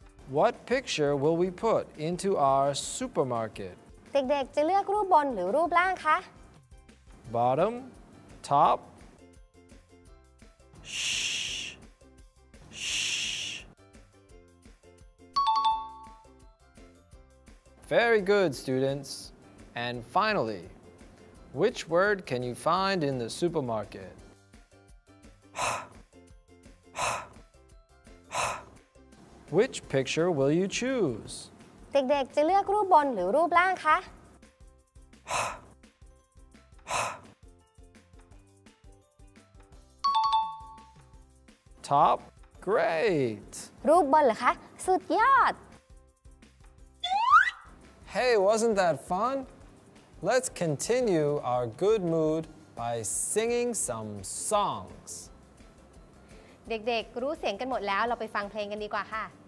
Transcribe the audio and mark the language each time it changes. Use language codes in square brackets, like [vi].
[en] What picture will we put into our supermarket? [th] เด็กๆจะเลือกรูปบนหรือรูปล่างคะ [en] Bottom, top. Shh. Very good, students. And finally, which word can you find in the supermarket? Which picture will you choose? [th] เด็กๆจะเลือกรูปบนหรือรูปล่างคะ [en] Top, great. [th] รูปบนเหรอคะสุดยอด [en] Hey, wasn't that fun? Let's continue our good mood by singing some songs. [th] เด็กๆรู้เสียงกันหมดแล้วเราไปฟังเพลงกันดีกว่าค่ะ